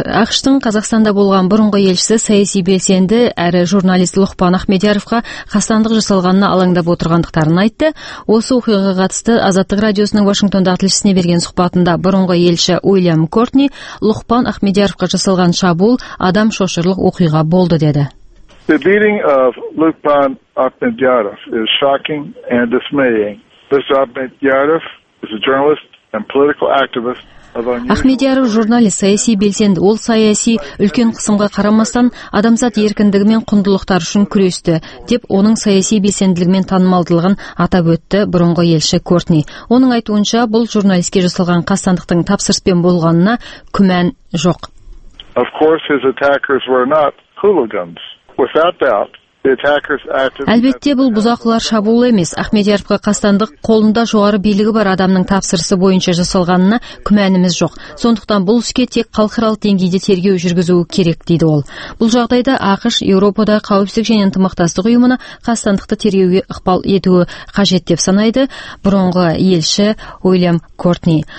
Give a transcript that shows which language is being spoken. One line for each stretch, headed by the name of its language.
Kazakh: Ақштың Қазақстанда болған бұрынғы елшісі саяси белсенді әрі журналист Лұқпан Ахмедияровқа қастандық жасалғанына алаңдап отырғандықтарын айтты. Осы оқиғаға қатысты Азаттық радиосының Вашингтондағы тілшісіне берген сұхбатында бұрынғы елші Уильям Кортни Лұқпан Ахмедияровқа жасалған шабуыл адам шошырлық оқиға болды деді.
English: The beating of Lukhpan Akhmedyarov is shocking and dismaying. Mr. Akhmedyarov is a journalist and political activist.
Kazakh: Ахмедияров журналист, саяси белсенді. Ол саяси үлкен қысымға қарамастан адамзат еркіндігі мен құндылықтар үшін күресті деп оның саяси белсенділігімен танымалдылығын атап өтті бұрынғы елші Кортни. Оның айтуынша, бұл журналистке жасалған қастандықтың тапсырыспен болғанына күмән жоқ.
English: Of course his attackers were not hooligans. Without doubt.
Kazakh: Әлбетте бұл бұзақылар шабуыл емес. Ахмедияровқа қастандық қолында жоғары билігі бар адамның тапсырысы бойынша жасалғанына күмәніміз жоқ. Сондықтан бұл іске тек халықаралық деңгейде тергеу жүргізуі керек дейді ол. Бұл жағдайда ақыш Еуропада қауіпсіздік және ынтымақтастық ұйымына қастандықты тергеуге ықпал етуі қажет деп санайды бұрынғы елші Уильям Кортни.